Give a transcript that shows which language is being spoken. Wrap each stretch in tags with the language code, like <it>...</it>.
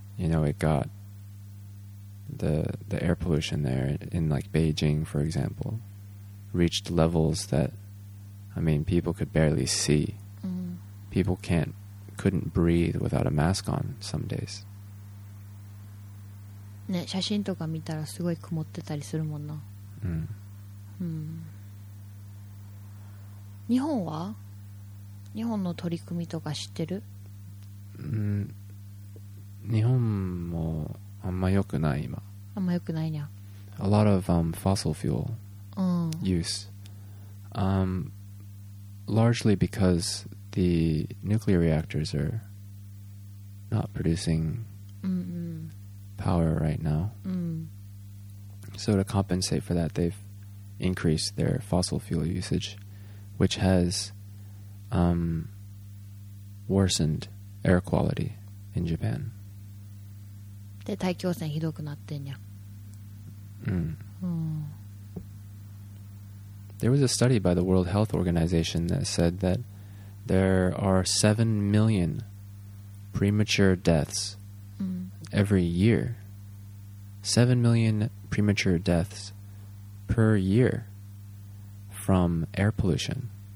<en>You know, it got the air pollution there in like Beijing, for example, reached levels that, I mean, people could barely see. People couldn't breathe without a mask on some days.</en> <ja>ね、写真とか見たらすごい曇ってたりするもんな。日本は？日本の取り組みとか知ってる？日本もあんま良くない今。あんま良くないにゃ。</ja> <en>A lot of fossil fuel use. Largely because the nuclear reactors are not producing power right now. So to compensate for that, they've increased their fossil fuel usage, which has worsened air quality in Japan.</en> <ja>で、大気汚染ひどくなってんや。</ja> <en>There was a study by the World Health Organization that said that there are 7 million premature deaths every year. 7 million premature deaths per year from air pollution.</en>